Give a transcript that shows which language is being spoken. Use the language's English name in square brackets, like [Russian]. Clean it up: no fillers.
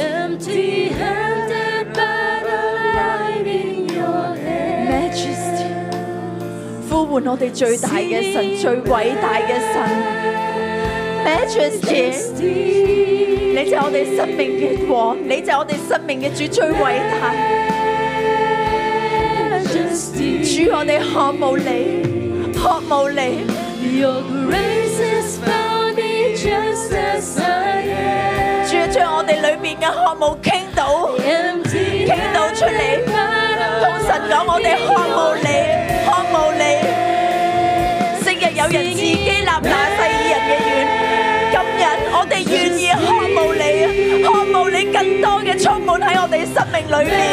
[English] empty-handed but alive in your hands, majesty, [Chinese] 呼唤我们最大的神，最伟大的神， majesty, [English] majesty, [Chinese] 你就是我们生命的王，你就是我们生命的主，最伟大，主，我们渴慕你，渴慕你。 [English] Your grace has found me just as I am。 [Chinese] 主，将我们里面的渴慕倾倒，倾倒出来，同神讲，我们渴慕你，渴慕你。昔日有人自己立那西尔人的愿，今日我们愿意渴慕你，渴慕你更多的充满在我们生命里面。